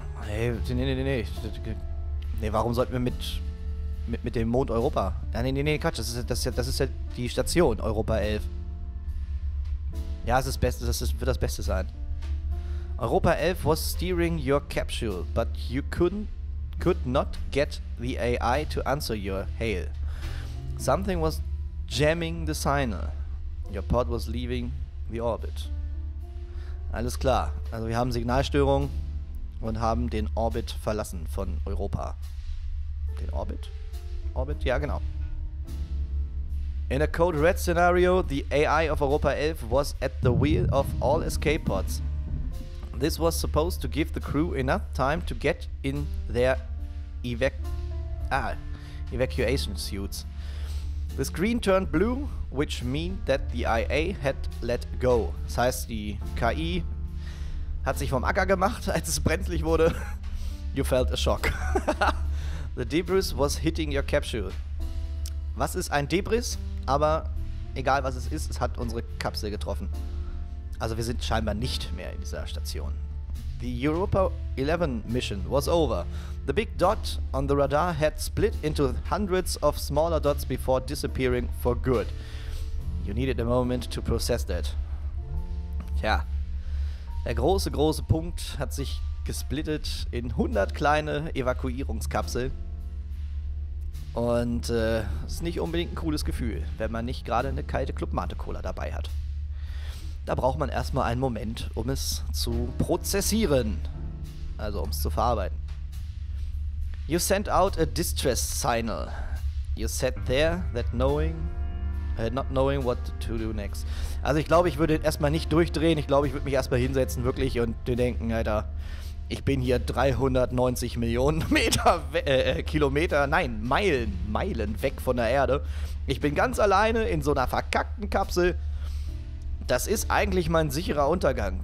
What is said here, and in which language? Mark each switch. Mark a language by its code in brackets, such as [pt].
[de] Nee, warum sollten wir mit dem Mond Europa? Nee, Quatsch, das ist ja die Station Europa 11. Ja, es ist Beste, das wird das Beste sein. [en] Europa 11 was steering your capsule, but you could not get the AI to answer your hail. Something was jamming the signal. Your pod was leaving the orbit. [de] Alles klar, also wir haben Signalstörung und haben den Orbit verlassen von Europa. Den Orbit? Orbit, ja genau. [en] In a code red scenario, the AI of Europa 11 was at the wheel of all escape pods. This was supposed to give the crew enough time to get in their evacuation suits. The screen turned blue, which means that the AI had let go. [de] Das heißt, die KI hat sich vom Acker gemacht, als es brenzlig wurde. [en] You felt a shock. The debris was hitting your capsule. [de] Was ist ein Debris? Aber egal was es ist, es hat unsere Kapsel getroffen. Also wir sind scheinbar nicht mehr in dieser Station. [en] The Europa 11 mission was over. The big dot on the radar had split into hundreds of smaller dots before disappearing for good. You needed a moment to process that. [de] Tja, der große, große Punkt hat sich gesplittet in 100 kleine Evakuierungskapseln. Und ist nicht unbedingt ein cooles Gefühl, wenn man nicht gerade eine kalte Club-Mate-Cola dabei hat. Da braucht man erstmal einen Moment, um es zu prozessieren. Also um es zu verarbeiten. [en] You sent out a distress signal. You sat there that knowing, not knowing what to do next. [de] Also ich glaube, ich würde erstmal nicht durchdrehen. Ich glaube, ich würde mich erstmal hinsetzen wirklich und denken, Alter, ich bin hier 390 Millionen Meter, Kilometer, nein, Meilen weg von der Erde. Ich bin ganz alleine in so einer verkackten Kapsel. Das ist eigentlich mein sicherer Untergang.